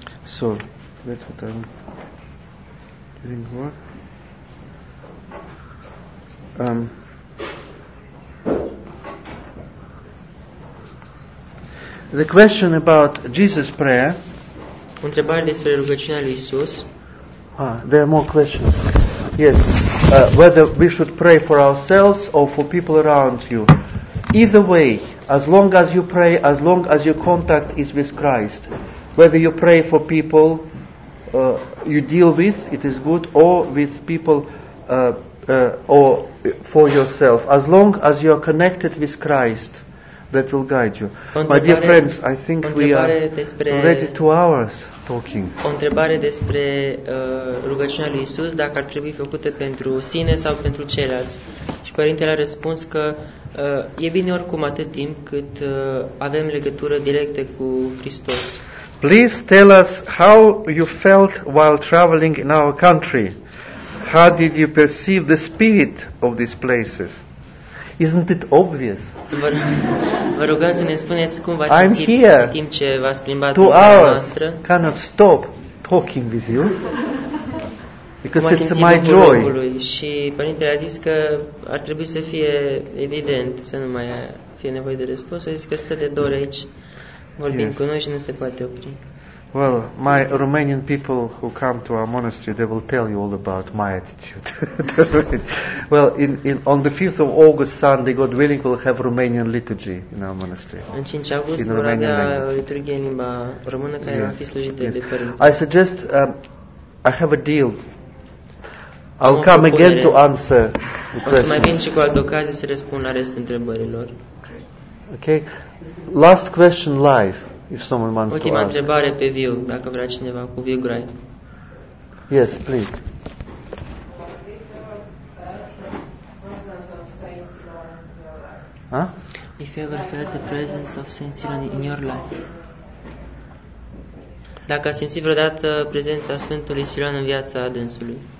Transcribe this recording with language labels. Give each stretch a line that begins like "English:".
English: So, let's put on. Doing what? The question about Jesus' prayer.
Romanian: Întrebare despre rugăciunea lui Isus.
English: There are more questions. Yes. Whether we should pray for ourselves or for people around you. Either way, as long as you pray, as long as your contact is with Christ, whether you pray for people you deal with, it is good, or with people or for yourself. As long as you are connected with Christ, that will guide you. My dear friends, I think we are already 2 hours talking.
Romanian: O întrebare despre rugăciunea lui Isus, dacă ar trebui făcută pentru sine sau pentru ceilalți. Și părintele a răspuns că e bine oricum atât timp cât avem legătură directă cu Hristos.
English: Please tell us how you felt while traveling in our country. How did you perceive the spirit of these places? Isn't it obvious?
Romanian: Vă rugăm să ne spuneți cum v-ați simțit în timp ce v-ați plimbat în țara noastră.
English: I cannot stop talking with you. Because it's my joy.
Romanian: Și părintele a zis că ar trebui să fie evident, să nu mai fie nevoie de răspuns. A zis că stă de dor aici. Vorbim cu noi și nu se poate opri.
English: Well, my Romanian people who come to our monastery, they will tell you all about my attitude. Well, on the 5th of August, Sunday, God willing, we'll have Romanian liturgy in our monastery.
Romanian: În 5 august vom avea liturghie în limba română care va fi slujită de părinte.
English: I suggest I have a deal. I'll come again to answer the questions.
Romanian: O să mai vin și cu altă ocazie să răspund la restul întrebărilor.
English: Okay. Last question live. If someone wants
Romanian: ultima
English: to
Romanian: întrebare
English: ask.
Romanian: Pe viu, dacă vrea cineva cu viu grai.
English: Yes, please. Huh? If you ever felt the presence of Saint Cyril in your life.
Romanian: Dacă a simțit vreodată prezența Sfântului Cyril în viața dânsului.